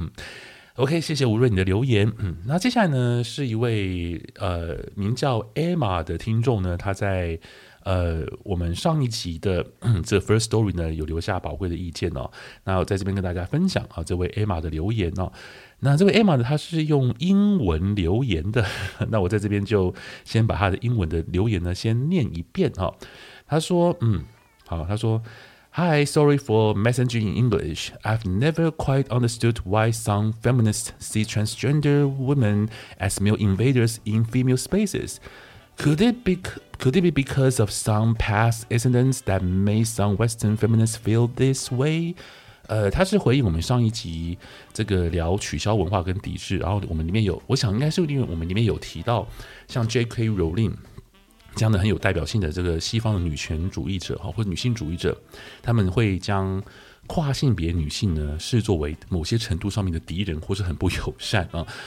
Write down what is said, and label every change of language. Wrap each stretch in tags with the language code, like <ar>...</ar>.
<zh>嗯 OK， 谢谢吴瑞你的留言。嗯，那接下来呢是一位名叫 Emma 的听众呢，他在我们上一集的这 First Story 呢有留下宝贵的意见哦。那我在这边跟大家分享啊，这位 Emma 的留言哦。那这位 Emma 呢，她是用英文留言的，那我在这边就先把她的英文的留言呢先念一遍哦。她说她说</zh> <en>Hi, sorry for messaging in English. I've never quite understood why some feminists see transgender women as male invaders in female spaces. Could it be because of some past incidents that made some Western feminists feel this way?</en> <zh>他是回应我们上一集这个聊取消文化跟抵制，然后我们里面有，我想应该是因为我们里面有提到像 J.K. Rowling 这样的很有代表性的这个西方的女权主义者或者女性主义者，他们会将跨性别女性呢视作为某些程度上面的敌人或是很不友善啊。</zh>